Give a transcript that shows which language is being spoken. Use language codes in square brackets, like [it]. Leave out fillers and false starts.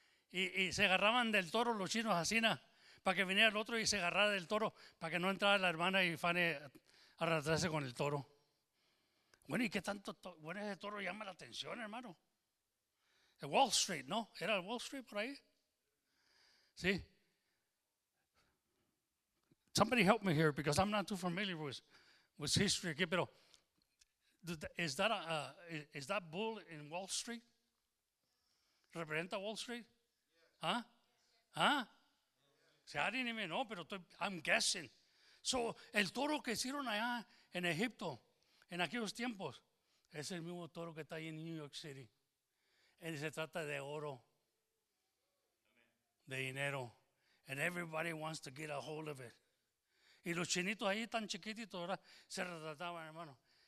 [es] Y se agarraban del toro los chinos así, para que viniera el otro y se agarrara del toro, para que no entrara la hermana y Fanny a relatarse con el toro. Bueno, ¿y qué tanto? Bueno, ese toro llama la atención, hermano. El Wall Street, ¿no? ¿Era el Wall Street por ahí? Sí. [en] Somebody help me here because I'm not too familiar with history. [es] Aquí, pero [en] is that bull in Wall Street? Representa Wall Street? Huh? Huh? See, I didn't even know, pero I'm guessing. [es] So, el toro que hicieron allá en Egipto en aquellos tiempos es el mismo toro que está ahí en New York City. Y se trata de oro, de dinero. [en] And everybody wants to get a hold of it. [es] Y los chinitos ahí tan chiquititos, ¿verdad? Se retrataban, hermano.